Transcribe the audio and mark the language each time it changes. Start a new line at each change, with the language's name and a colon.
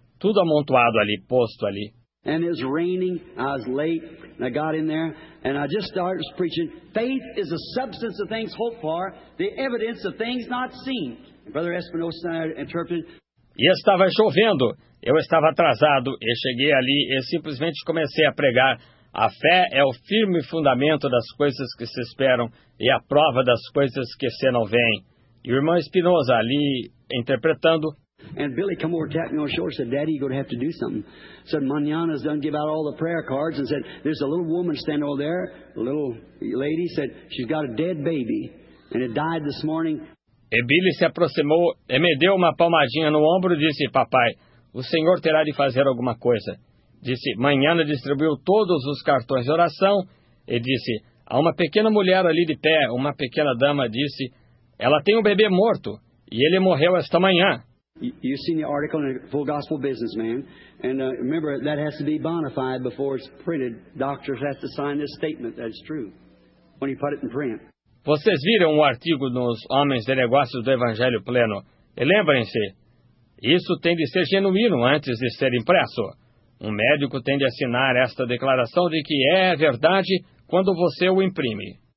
Portuguese: Tudo amontoado ali, posto ali.
English: And it was raining, I was late, and I got in there, and I just started preaching, faith is the substance of things hoped for, the evidence of things not seen. And Brother Espinosa interpreted.
Portuguese: e estava chovendo. Eu estava atrasado e cheguei ali e simplesmente comecei a pregar. A fé é o firme fundamento das coisas que se esperam e a prova das coisas que se não veem. E o irmão Espinosa ali interpretando.
English: And Billy came over tapping on the shoulder and said, Daddy, you're going to have to do something. Said, Manana's done give out all the prayer cards and said, there's a little woman standing over there, a little lady, said, she's got a dead baby and it died this morning.
Portuguese: E Billy se aproximou e me deu uma palmadinha no ombro e disse, papai, o senhor terá de fazer alguma coisa. Disse, Manana distribuiu todos os cartões de oração e disse, há uma pequena mulher ali de pé, uma pequena dama, disse, ela tem um bebê morto e ele morreu esta manhã.
English: You seen the article in the Full Gospel Business, man. And remember, that has to be bona fide before it's printed. Doctors have to sign this statement that it's true when you put it in print.
Portuguese: Vocês viram o artigo nos Homens de Negócios do Evangelho Pleno? E lembrem-se, isso tem de ser genuíno antes de ser impresso. Um médico tem de assinar esta declaração de que é verdade quando você o imprime.